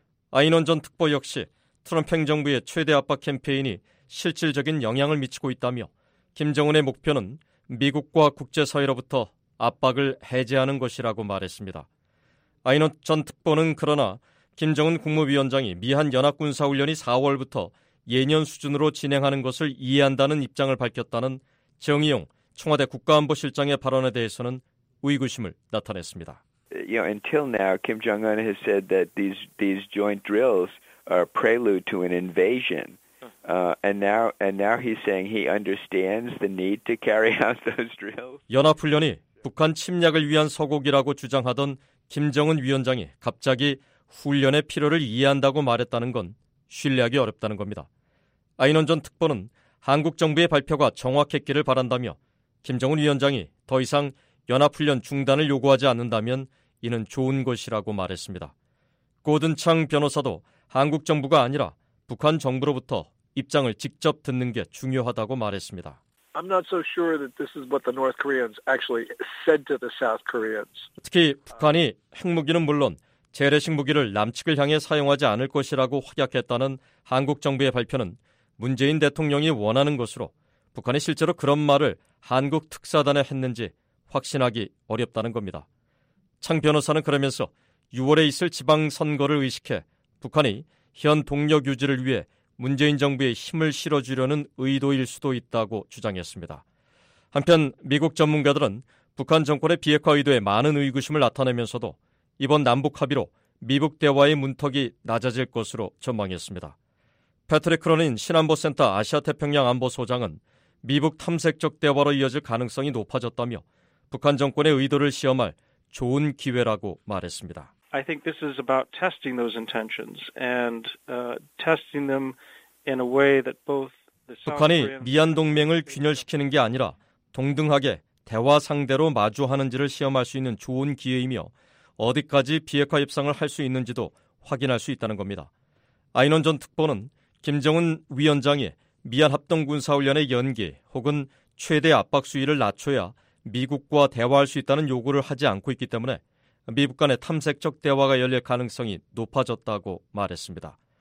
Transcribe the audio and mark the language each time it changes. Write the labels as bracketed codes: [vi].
[ko] 아이논 전 특보 역시 트럼프 행정부의 최대 압박 캠페인이 실질적인 영향을 미치고 있다며 김정은의 목표는 미국과 국제사회로부터 압박을 해제하는 것이라고 말했습니다. 아이논 전 특보는 그러나 김정은 국무위원장이 미한 연합군사훈련이 4월부터 예년 수준으로 진행하는 것을 이해한다는 입장을 밝혔다는 정의용 청와대 국가안보실장의 발언에 대해서는 의구심을 나타냈습니다. [en] You know, until now, Kim Jong-un has said that these joint drills are prelude to an invasion. And now he's saying he understands the need to carry out those drills. [ko] 연합훈련이 북한 침략을 위한 서곡이라고 주장하던 김정은 위원장이 갑자기 훈련의 필요를 이해한다고 말했다는 건 신뢰하기 어렵다는 겁니다. 아이논 전 특보는 한국 정부의 발표가 정확했기를 바란다며 김정은 위원장이 더 이상 연합훈련 중단을 요구하지 않는다면 이는 좋은 것이라고 말했습니다. 고든 창 변호사도 한국 정부가 아니라 북한 정부로부터 입장을 직접 듣는 게 중요하다고 말했습니다. [en] I'm not so sure that this is what the North Koreans actually said to the South Koreans. [ko] 특히 북한이 핵무기는 물론 재래식 무기를 남측을 향해 사용하지 않을 것이라고 확약했다는 한국 정부의 발표는 문재인 대통령이 원하는 것으로 북한이 실제로 그런 말을 한국 특사단에 했는지 확신하기 어렵다는 겁니다. 창 변호사는 그러면서 6월에 있을 지방선거를 의식해 북한이 현 동력 유지를 위해 문재인 정부의 힘을 실어주려는 의도일 수도 있다고 주장했습니다. 한편 미국 전문가들은 북한 정권의 비핵화 의도에 많은 의구심을 나타내면서도 이번 남북 합의로 미북 대화의 문턱이 낮아질 것으로 전망했습니다. 패트릭 크로닌 신안보센터 아시아태평양 안보소장은 미북 탐색적 대화로 이어질 가능성이 높아졌다며 북한 정권의 의도를 시험할 좋은 기회라고 말했습니다. [en] I think this is about testing those intentions and testing them in a way that both the South Korean [ko] 북한이 미한 동맹을 균열시키는 게 아니라 동등하게 대화 상대로 마주하는지를 시험할 수 있는 좋은 기회이며 어디까지 비핵화 협상을 할 수 있는지도 확인할 수 있다는 겁니다. 아이논 전 특보는 김정은 위원장이 미얀 합동군사훈련의 연기 혹은 최대 압박 수위를 낮춰야 미국과 대화할 수 있다는 요구를 하지 않고 있기 때문에 미북 간의 탐색적 대화가 열릴 가능성이 높아졌다고 말했습니다.